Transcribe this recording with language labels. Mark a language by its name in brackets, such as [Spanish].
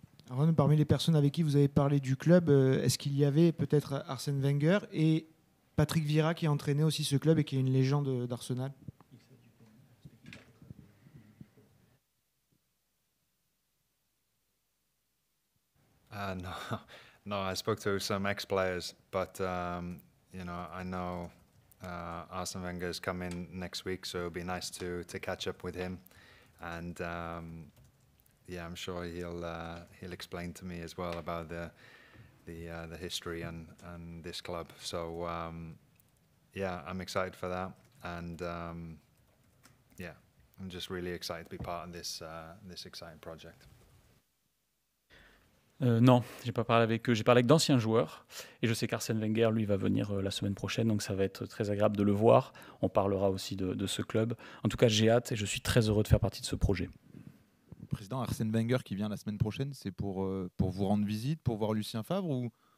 [French] Ron, parmi les personnes avec qui vous avez parlé du club, est-ce qu'il y avait peut-être Arsène Wenger et Patrick Vieira qui a entraîné aussi ce club et qui est une légende d'Arsenal ? [English] No, I spoke to some ex-players, but you know, I know Arsène Wenger is coming next week, so it'll be nice to catch up with him and. Yeah, I'm sure he'll explain to me as well about the history and this club. So yeah, I'm excited for that, and yeah, I'm just really excited to be part of this exciting project. [French] Non, j'ai pas parlé avec eux. J'ai parlé avec d'anciens joueurs, et je sais qu'Arsène Wenger lui va venir la semaine prochaine, donc ça va être très agréable de le voir. On parlera aussi de ce club. En tout cas, j'ai hâte et je suis très heureux de faire partie de ce projet. Président, Arsène Wenger qui vient la semaine prochaine, c'est pour vous rendre visite, pour voir Lucien Favre ou...